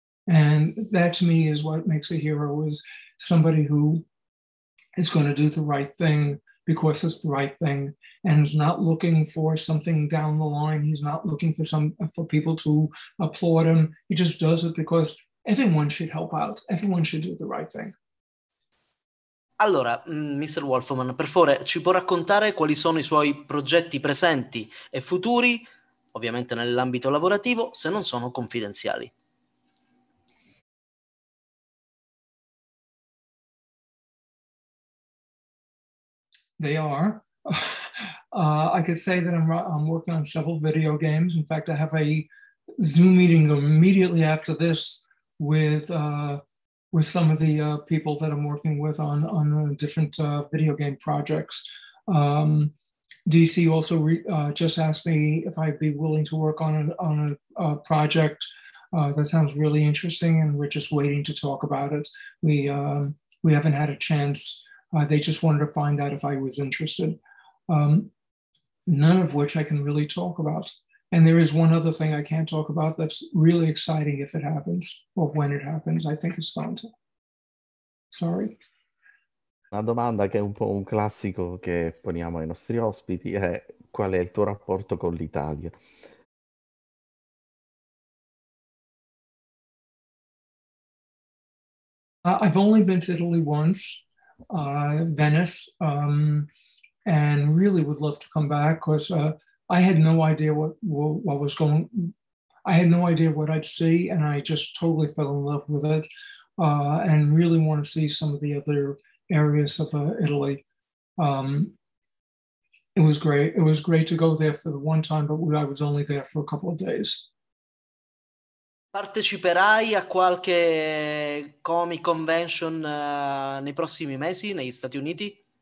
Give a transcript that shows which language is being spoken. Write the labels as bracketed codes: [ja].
[en] And that to me is what makes a hero, is somebody who is going to do the right thing because it's the right thing, and is not looking for something down the line. He's not looking for some for people to applaud him. He just does it because everyone should help out. Everyone should do the right thing. [it] Allora, Mr. Wolfman, per favore, ci può raccontare quali sono i suoi progetti presenti e futuri, ovviamente nell'ambito lavorativo, se non sono confidenziali? [en] They are. I could say that I'm working on several video games. In fact, I have a Zoom meeting immediately after this with some of the people that I'm working with on different video game projects. DC also just asked me if I'd be willing to work on a project that sounds really interesting, and we're just waiting to talk about it. We haven't had a chance. They just wanted to find out if I was interested, none of which I can really talk about. And there is one other thing I can't talk about that's really exciting if it happens, or when it happens, I think it's going to. Sorry. [it] La domanda che è un po' un classico che poniamo ai nostri ospiti è: qual è il tuo rapporto con l'Italia? [en] I've only been to Italy once. Venice, and really would love to come back because I had no idea what was going. I had no idea what I'd see, and I just totally fell in love with it, and really want to see some of the other areas of Italy. It was great. It was great to go there for the one time, but I was only there for a couple of days. [it] Parteciperai a qualche comic convention nei prossimi mesi negli Stati Uniti?